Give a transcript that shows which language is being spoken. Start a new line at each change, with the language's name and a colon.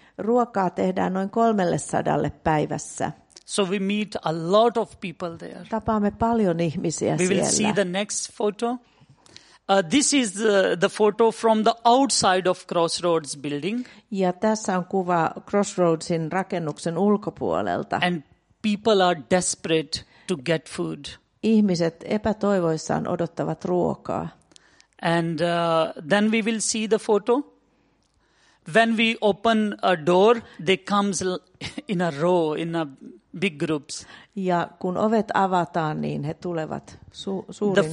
Finnish: Ruokaa tehdään noin 300 päivässä.
English: So we meet a lot of people there.
Finnish: Tapaamme paljon ihmisiä siellä.
English: We will see the next photo. This is the photo from the outside of Crossroads building.
Finnish: Ja tässä on kuva Crossroadsin rakennuksen ulkopuolelta.
English: And people are desperate to get food.
Finnish: Ihmiset epätoivoissaan odottavat ruokaa.
English: And then we will see the photo. When we open a door, they comes in a row, in a big groups.
Finnish: Ja kun ovet avataan, niin he tulevat suurin joukoin.